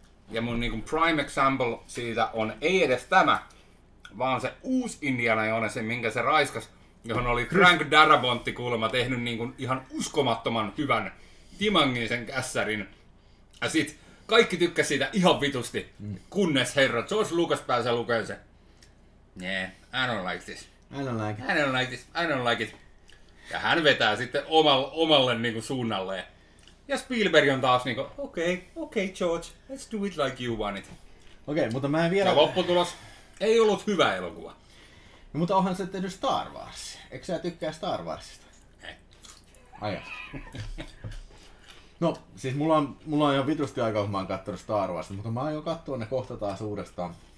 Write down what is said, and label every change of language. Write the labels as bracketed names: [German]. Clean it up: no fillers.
[Finnish] Ja mun niinku prime example siitä on ei edes tämä, vaan se uusi Indiana Jones, minkä se raiskas, johon oli Frank Darabontti kuulemma tehnyt niinku ihan uskomattoman hyvän timangisen kässärin. Ja sit kaikki tykkäsi siitä ihan vitusti, kunnes herra George Lucas pääsee lukemaan se. [English] Yeah, I don't like this. I don't like it. I don't like this. I don't like it. [Finnish] Ja hän vetää sitten omalle niinku suunnalleen. Ja Spielberg on taas niinku, [English] okay, George, let's do it like you want it. [Finnish] Okei, mutta mä en vielä... Ja lopputulos ei ollut hyvä elokuva. No, mutta onhan se tehnyt Star Wars. Eikö sä tykkää Star Warsista? Ei. Aijaa. No, siis mulla on jo vitusti aikaa, kun mä oon kattonut Star Warsista, mutta mä aion kattoa ne kohta taas uudestaan.